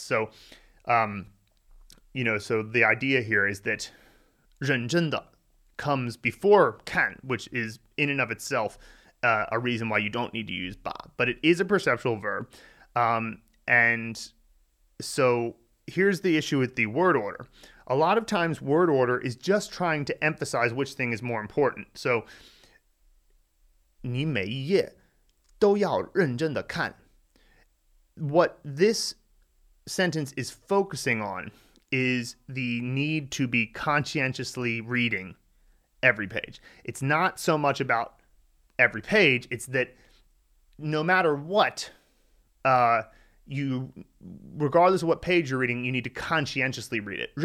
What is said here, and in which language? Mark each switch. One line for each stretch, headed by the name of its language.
English: So, so the idea here is that 认真的 comes before 看, which is in and of itself a reason why you don't need to use ba. But it is a perceptual verb. And so here's the issue with the word order. A lot of times word order is just trying to emphasize which thing is more important.
Chinese: So 你每一页都要认真地看.
English: What this sentence is focusing on is the need to be conscientiously reading every page. It's not so much about every page, it's that no matter what, regardless of what page you're reading, you need to conscientiously read it.